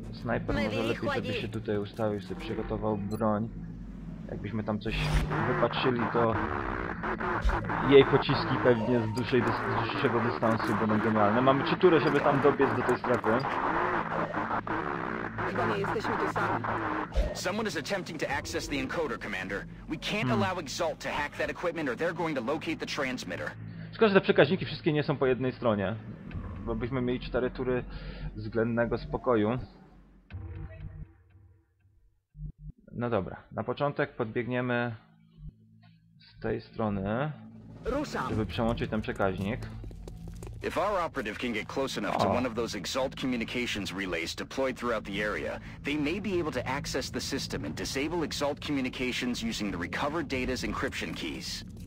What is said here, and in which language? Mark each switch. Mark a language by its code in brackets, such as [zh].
[pl] Snajper może lepiej, żeby się tutaj ustawił, sobie przygotował broń. Jakbyśmy tam coś wypatrzyli, to jej pociski pewnie z dłuższego dystansu będą genialne. Mamy trzy tury, żeby tam dobiec do tej strefy. Chyba nie jesteśmy tu sami. [en] Someone is attempting to access the encoder, Commander. We can't allow Exalt to hack that equipment, or they're going to locate the transmitter. [pl] Szkoda, że te przekaźniki wszystkie nie są po jednej stronie. Bo byśmy mieli cztery tury względnego spokoju. No dobra, na początek podbiegniemy z tej strony, żeby przełączyć ten przekaźnik. [en] If our operative can get close enough to one of those Exalt communications relays deployed throughout the area, they may be able to access the system and disable Exalt communications using the recovered data's encryption keys.